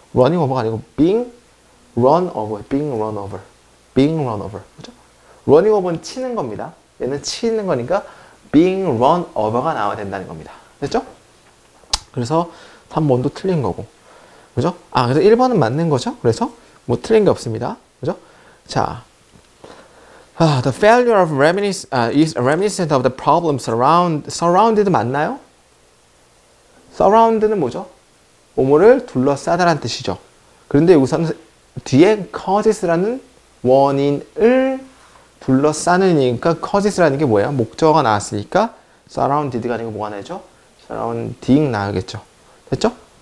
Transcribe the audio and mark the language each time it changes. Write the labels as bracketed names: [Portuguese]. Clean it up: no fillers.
[English] running over [Korean] 가 아니고 [English] being run over, being run over. being run over. 그죠? [Korean] running over는 치는 겁니다. 얘는 치는 거니까 [English] being run over [Korean] 가 나와야 된다는 겁니다. 됐죠? 그래서 3번도 틀린 거고. 그죠? 아, 그래서 1번은 맞는 거죠? 그래서 뭐 틀린 게 없습니다. 그죠? 자. [English] The failure of remedies is reminiscent of the problem surrounded 맞나요? [Korean] surround는 뭐죠? 오물을 둘러싸다라는 뜻이죠. 그런데 여기서는 뒤에 causes라는 원인을 둘러싸느니까 causes라는 게 뭐예요? 목적어가 나왔으니까 surrounded가 아니고 뭐가 나죠? surrounding 나오겠죠. 됐죠?